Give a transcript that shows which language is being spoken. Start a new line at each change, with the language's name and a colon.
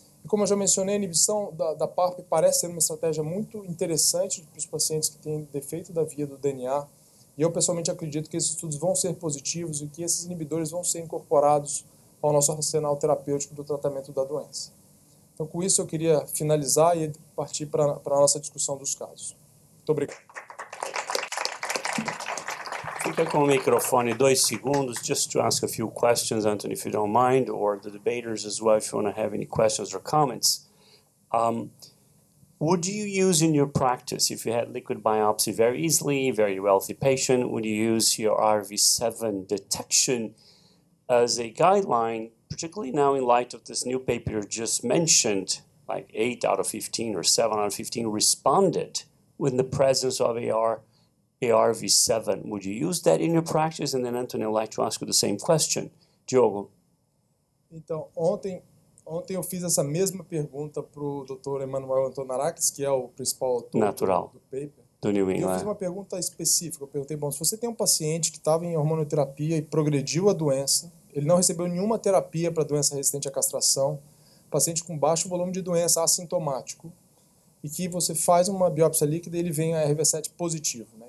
Portuguese: E como eu já mencionei, a inibição da PARP parece ser uma estratégia muito interessante para os pacientes que têm defeito da via do DNA. E eu pessoalmente acredito que esses estudos vão ser positivos e que esses inibidores vão ser incorporados ao nosso arsenal terapêutico do tratamento da doença. Então com isso eu queria finalizar e partir para a nossa discussão dos casos.
English: Fica com o microfone 2 segundos, just to ask a few questions, Anthony, if you don't mind, or the debaters as well, if you want to have any questions or comments. Would you use in your practice, if you had liquid biopsy very easily, very wealthy patient, would you use your RV7 detection as a guideline, particularly now in light of this new paper you just mentioned, like 8 out of 15 or 7 out of 15 responded with the presence of AR ARV7, would you use that in your practice? And then, Anthony, I'd like to ask you the same question.
Portuguese: Diogo. Então, ontem eu fiz essa mesma pergunta para o Dr. Emmanuel Antonarakis, que é o principal autor natural do paper. Do New England. E eu fiz uma pergunta específica. Eu perguntei, bom, se você tem um paciente que estava em hormonoterapia e progrediu a doença, ele não recebeu nenhuma terapia para doença resistente à castração, paciente com baixo volume de doença, assintomático, e que você faz uma biópsia líquida e ele vem a RV7 positivo, né?